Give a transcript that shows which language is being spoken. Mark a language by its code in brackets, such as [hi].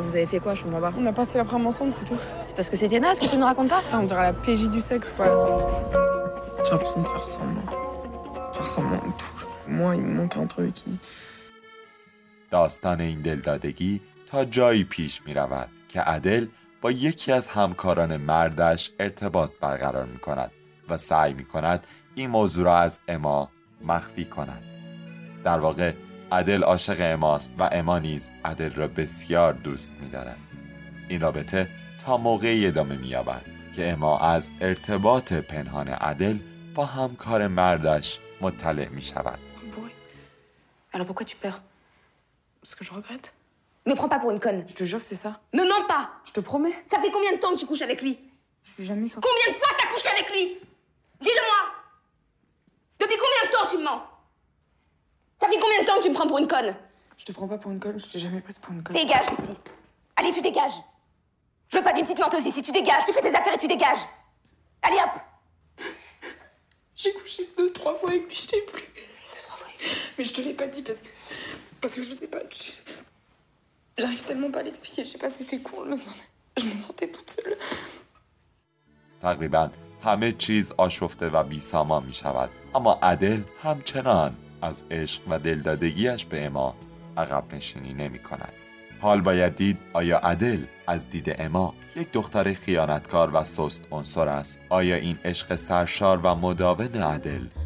[fr] Vous avez fait quoi? Je comprends pas. On a passé l'après-midi ensemble, c'est tout. C'est parce que c'était naze que tu nous racontes pas. Enfin, on dirait la PJ du sexe quoi. J'ai l'impression de faire semblant. Faire semblant de tout. Moi, il me manque un truc qui. [fa] داستان این دلدادگی تا جایی پیش می‌رود که عدل با یکی از همکاران مردش ارتباط برقرار می‌کند و سعی می‌کند این موضوع را از اما مخفی کند. در واقع عدل عاشق اماست و اما نیز عدل را بسیار دوست می‌دارد. این رابطه تا موقعی ادامه می‌یابد که اما از ارتباط پنهان عدل با همکار مردش مطلع می‌شود. [fr] Alors pourquoi tu pleures? Parce que je regrette. Ne prends pas pour une conne. Je te jure que c'est ça. Ne mens pas. Je te promets. Ça fait combien de temps que tu couches avec lui? Je suis jamais sans. Combien de fois t'as couché avec lui? Dis-le-moi. Depuis combien de temps tu mens? Ça fait combien de temps que tu me prends pour une conne? Je te prends pas pour une conne, je t'ai jamais prise pour une conne. Dégage d'ici. Allez, tu dégages. Je veux pas d'une petite menteuse ici, tu dégages, tu fais tes affaires et tu dégages. Allez hop. J'ai couché deux, trois fois avec lui, je t'ai plus. Deux, trois fois. Mais je te l'ai pas dit parce que je sais pas. J'arrive tellement pas à l'expliquer, je sais pas si c'était cool, mais je me sentais toute seule. [fa] تقریباً همه چیز آشفته و بی‌سامان می‌شود، اما عدل همچنان از عشق و دلدادگیش به اما عقب نشینی نمی کند. حال باید دید آیا عدل از دید اما یک دختر خیانتکار و سست عنصر است؟ آیا این عشق سرشار و مداوم عدل